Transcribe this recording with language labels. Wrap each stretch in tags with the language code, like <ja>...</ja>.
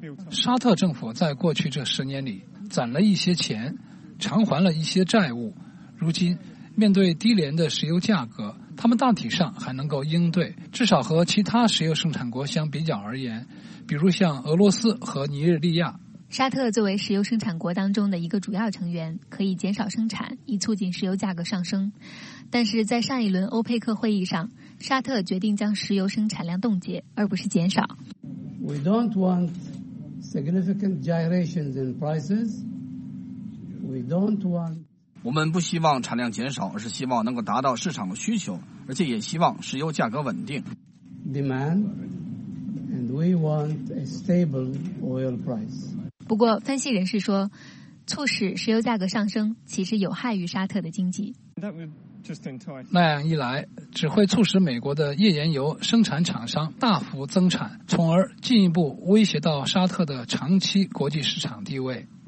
<zh>沙特政府在过去这10年里攒了一些钱，偿还了一些债务，如今面对低廉的石油价格，他们大体上还能够应对，至少和其他石油生产国相比较而言，比如像俄罗斯和尼日利亚。沙特作为石油生产国当中的一个主要成员，可以减少生产以促进石油价格上升。但是在上一轮欧佩克会议上，沙特决定将石油生产量冻结而不是减少。</zh> <en>We don't want significant gyrations in prices. We don't want...</en> <zh>我们不希望产量减少，而是希望能够达到市场的需求，而且也希望石油价格稳定。</zh> <en>Demand, and we want a stable oil price.</en> <zh>不过分析人士说，促使石油价格上升其实有害于沙特的经济。那样一来，只会促使美国的页岩油生产厂商大幅增产，从而进一步威胁到沙特的长期国际市场地位。</zh>